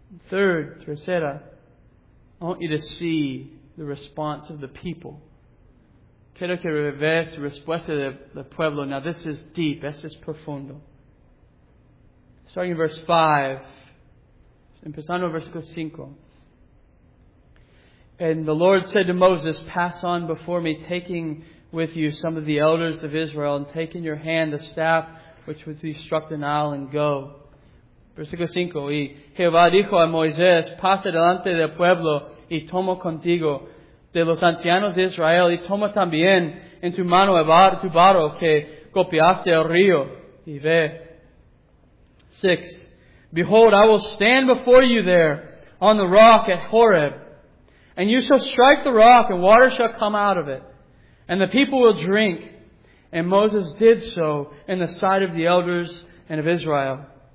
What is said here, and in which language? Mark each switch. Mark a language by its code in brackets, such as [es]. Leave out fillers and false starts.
[en] Third, tercera, I want you to see the response of the people. [es] Quiero que veas la respuesta del pueblo. [en] Now this is deep. [es] Esto es profundo. [en] Starting in verse 5. [es] Empezando en versículo 5. [en] And the Lord said to Moses, "Pass on before me, taking with you some of the elders of Israel, and take in your hand the staff which would be struck the Nile, and go." [es] Versículo 5. Y Jehová dijo a Moisés, "Pasa delante del pueblo, y toma contigo de los ancianos de Israel, y toma también en tu mano tu barro que golpeaste el río, y ve." 6. [en] "Behold, I will stand before you there on the rock at Horeb, and you shall strike the rock, and water shall come out of it, and the people will drink." And Moses did so in the sight of the elders and of Israel.